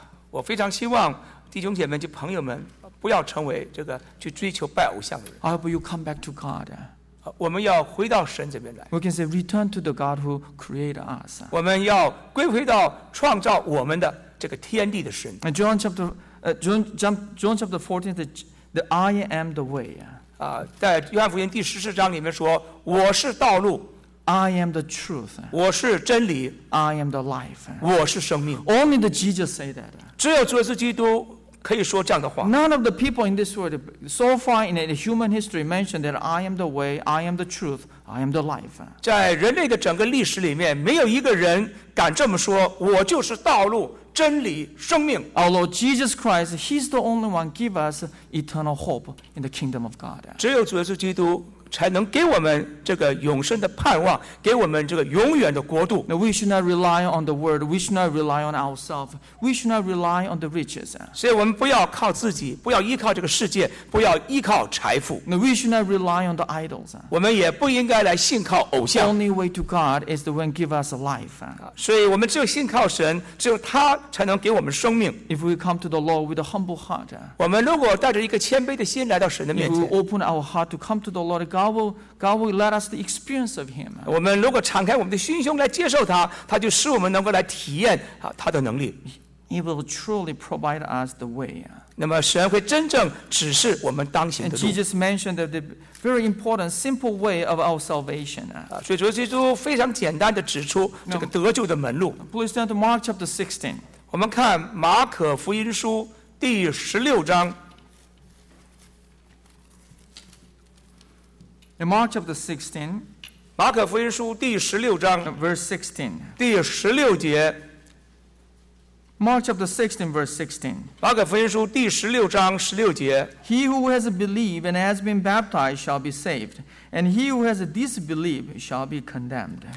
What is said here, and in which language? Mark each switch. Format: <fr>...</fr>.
<zh>我非常希望弟兄姐妹及朋友们不要成为这个去追求拜偶像的人。</zh> <en>I hope you come back to God.</en> <zh>我们要回到神这边来。</zh> <en>We can say return to the God who created us.</en> <zh>我们要归回到创造我们的这个天地的神。</zh> <en>John chapter 14, the I am the way.</en> <zh>在约翰福音第十四章里面说，我是道路。</zh> <en>I am the truth.</en> <zh>我是真理。</zh> <en>I am the life.</en> <zh>我是生命。</zh> <en>Only the Jesus say that.</en> <zh>只有主耶稣基督。可以说这样的话。</zh> <en>None of the people in this world so far in human history mentioned that I am the way, I am the truth, I am the life.</en> <zh>在人类的整个历史里面，没有一个人敢这么说，我就是道路、真理、生命。</zh> <en>Our Lord Jesus Christ, He's the only one give us eternal hope in the kingdom of God.</en> <zh>只有主耶稣基督才能给我们这个永生的盼望，给我们这个永远的国度。</zh> <en>Now we should not rely on the world. We should not rely on ourselves. We should not rely on the riches.</en> <zh>所以我们不要靠自己，不要依靠这个世界，不要依靠财富。</zh> <en>Now we should not rely on the idols.</en> <zh>我们也不应该来信靠偶像。</zh> <en>The only way to God is the one give us life.</en> <zh>所以我们只有信靠神，只有他才能给我们生命。</zh> <en>If we come to the Lord with a humble heart.</en> <zh>我们如果带着一个谦卑的心来到神的面前。</zh> <en>If we open our heart to come to the Lord, God will let us the experience of Him.</en> <zh>我们如果敞开我们的心胸来接受他，他就使我们能够来体验他的能力。</zh> <en>He will truly provide us the way.</en> <zh>那么神会真正指示我们当行的路。</zh> <en>Jesus mentioned the very important simple way of our salvation.</en> <zh>所以主耶稣基督非常简单地指出这个得救的门路。</zh> <en>Please turn to Mark chapter 16.</en> <zh>我们看马可福音书第十六章。</zh> <en>In Mark chapter 16,</en> <zh>马可福音书第十六章</zh> <en>verse 16,</en> <zh>第十六节。</zh> <en>Mark chapter 16, verse 16.</en> <zh>马可福音书第十六章十六节。</zh> <en>He who has believed and has been baptized shall be saved, and he who has disbelieved shall be condemned.</en>